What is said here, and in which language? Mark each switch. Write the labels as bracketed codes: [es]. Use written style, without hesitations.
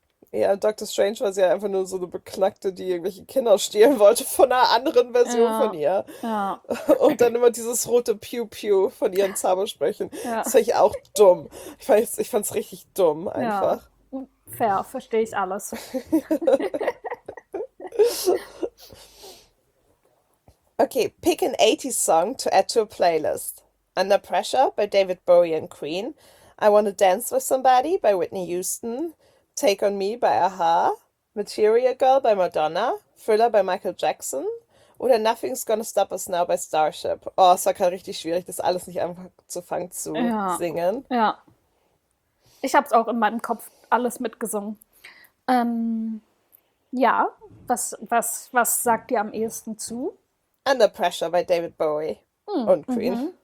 [de] Ja, Doctor Strange war sie ja einfach nur so eine Beknackte, die irgendwelche Kinder stehlen wollte von einer anderen Version ja. von ihr. Ja. Und dann immer dieses rote Piu-Piu von ihren Zaubersprüchen. Ja. Das fand ich auch dumm. Ich fand's richtig dumm einfach. Ja. Fair, verstehe ich alles. [en] Okay, pick an 80s song to add to a playlist. Under Pressure by David Bowie and Queen. I Wanna Dance with Somebody by Whitney Houston. Take on Me by Aha. Material Girl by Madonna. Thriller by Michael Jackson. [de] Oder [en] Nothing's Gonna Stop Us Now by Starship. [de] Oh, es war gerade richtig schwierig, das alles nicht einfach zu fangen zu singen. Ja. Ich hab's auch in meinem Kopf alles mitgesungen. Ja, was sagt ihr am ehesten zu? [en] Under Pressure by David Bowie und Queen.